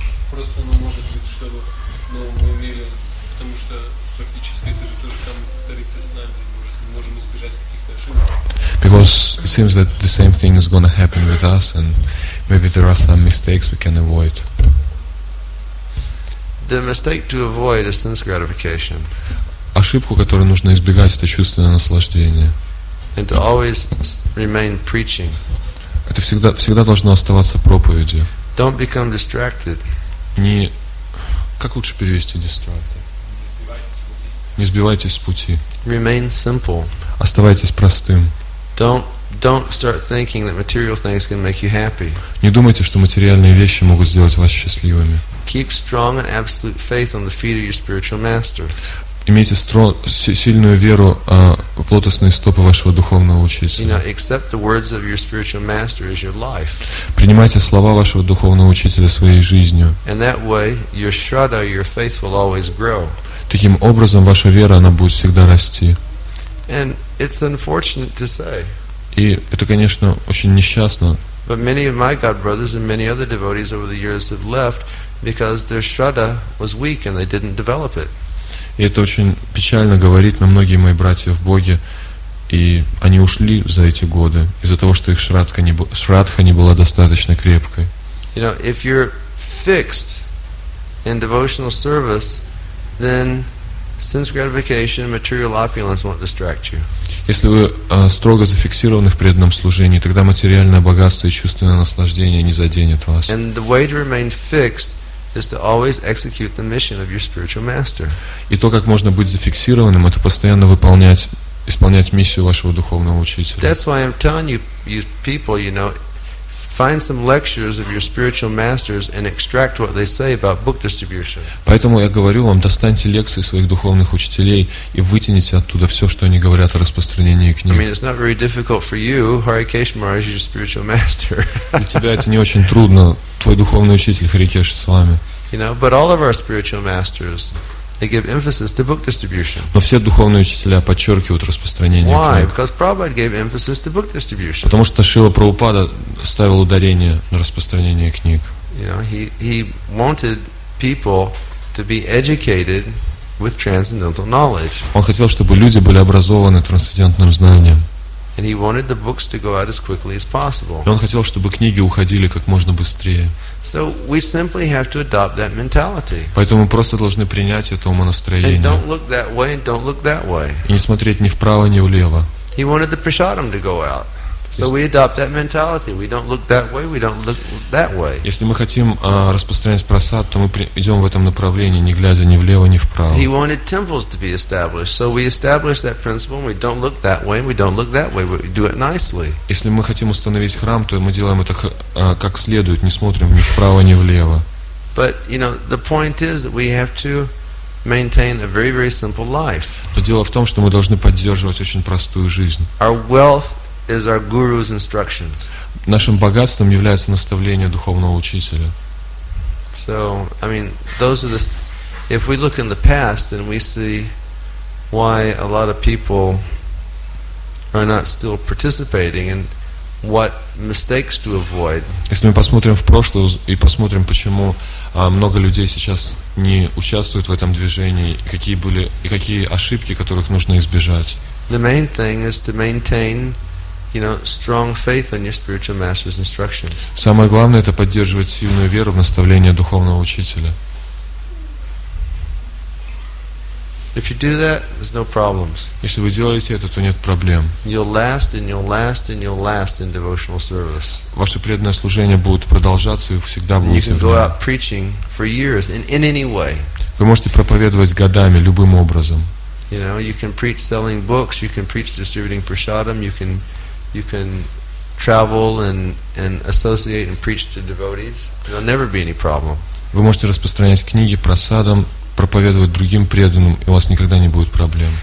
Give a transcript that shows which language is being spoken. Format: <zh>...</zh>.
<ru>Просто оно может быть, чтобы мы умели, потому что практически это же то же самое повторится с нами, мы можем избежать каких-то ошибок.</ru> <en>Because it seems that the same thing is going to happen with us, and maybe there are some mistakes we can avoid. The mistake to avoid is sense gratification.</en> <ru>Ошибку, которую нужно избегать, это чувственное наслаждение.</ru> <en>And to always remain preaching.</en> <ru>Это всегда должно оставаться проповедью.</ru> <en>Don't become distracted.</en> <ru>Не, как лучше перевести distracted? Не сбивайтесь с пути.</ru> <en>Remain simple.</en> <ru>Оставайтесь простым.</ru> <en>Don't start thinking that material things can make you happy.</en> <ru>Не думайте, что материальные вещи могут сделать вас счастливыми.</ru> <en>Keep strong and absolute faith on the feet of your spiritual master.</en> <ru>Имейте сильную веру в лотосные стопы вашего духовного учителя.</ru> <en>You know, accept the words of your spiritual master as your life.</en> <ru>Принимайте слова вашего духовного учителя своей жизнью.</ru> <en>And that way, your shraddha, your faith will always grow.</en> <ru>Таким образом, ваша вера, она будет всегда расти.</ru> <en>And it's unfortunate to say.</en> <ru>И это, конечно, очень несчастно.</ru> <en>But many of my god brothers and many other devotees over the years have left because their shraddha was weak and they didn't develop it.</en> <ru>И это очень печально говорить, но многие мои братья в Боге, и они ушли за эти годы из-за того, что их шраддха не была достаточно крепкой.</ru> <en>You know, if you're fixed in devotional service, then sense gratification and material opulence won't distract you.</en> <ru>Если вы строго зафиксированы в преданном служении, тогда материальное богатство и чувственное наслаждение не заденет вас.</ru> <en>And the way to remain fixed is to always execute the mission of your spiritual master.</en> <ru>И то, как можно быть зафиксированным, это постоянно исполнять миссию вашего духовного учителя.</ru> <en>That's why I'm telling you people, you know, find some lectures of your spiritual masters and extract what they say about book distribution.</en> <ru>Поэтому я говорю вам, достаньте лекции своих духовных учителей и вытяните оттуда все, что они говорят о распространении книг.</ru> <en>I mean, it's not very difficult for you, Hare Krishna Maharaj, your spiritual master.</en> <ru>Для тебя это не очень трудно, твой духовный учитель Hare Krishna с вами.</ru> <en>You know, but all of our spiritual masters, they give emphasis to book distribution.</en> <ru>Но все духовные учителя подчеркивают распространение книг.</ru> <en>Why? Because Prabhupada gave emphasis to book distribution.</en> <ru>Потому что Шрила Прабхупада ставил ударение на распространение книг.</ru> <en>You know, he wanted people to be educated with transcendental knowledge.</en> <ru>Он хотел, чтобы люди были образованы трансцендентным знанием.</ru> <en>And he wanted the books to go out as quickly as possible.</en> <ru>И он хотел, чтобы книги уходили как можно быстрее.</ru> <en>So we simply have to adopt that mentality.</en> <ru>Поэтому мы просто должны принять это умонастроение.</ru> <en>And don't look that way and don't look that way.</en> <ru>И не смотреть ни вправо, ни влево.</ru> <en>He wanted the prasadam to go out. So we adopt that mentality. We don't look that way, we don't look that way.</en> <ru>Если мы хотим распространять просад, то мы идем в этом направлении, не глядя ни влево, ни вправо.</ru> <en>He wanted temples to be established. So we establish that principle, and we don't look that way, and we don't look that way. We do it nicely.</en> <ru>Если мы хотим установить храм, то мы делаем это как следует, не смотрим ни вправо, ни влево.</ru> <en>But, you know, the point is that we have to maintain a very, very simple life.</en> <ru>Но дело в том, что мы должны поддерживать очень простую жизнь.</ru> <en>Our wealth is our guru's instructions.</en> <ru>Нашим богатством является наставление духовного учителя.</ru> <en>So, I mean, those are the. If we look in the past, then we see why a lot of people are not still participating and what mistakes to avoid.</en> <ru>Если мы посмотрим в прошлое и посмотрим, почему много людей сейчас не участвуют в этом движении, какие были и какие ошибки, которых нужно избежать.</ru> <en>The main thing is to maintain, you know, strong faith on your spiritual master's instructions.</en> <ru>Самое главное — это поддерживать сильную веру в наставления духовного учителя.</ru> <en>If you do that, there's no problems.</en> <ru>Если вы делаете это, то нет проблем.</ru> <en>You'll last and you'll last and you'll last in devotional service.</en> <ru>Ваше преданное служение будет продолжаться и всегда будет.</ru> <en>You can go out preaching for years in any way.</en> <ru>Вы можете проповедовать годами любым образом.</ru> <en>You know, you can preach selling books, you can preach distributing prasadam, you can travel and associate and preach to devotees. There'll never be any problem.</en> <ru>Вы можете распространять книги прасадам, проповедовать другим преданным, и у вас никогда не будет проблем.</ru>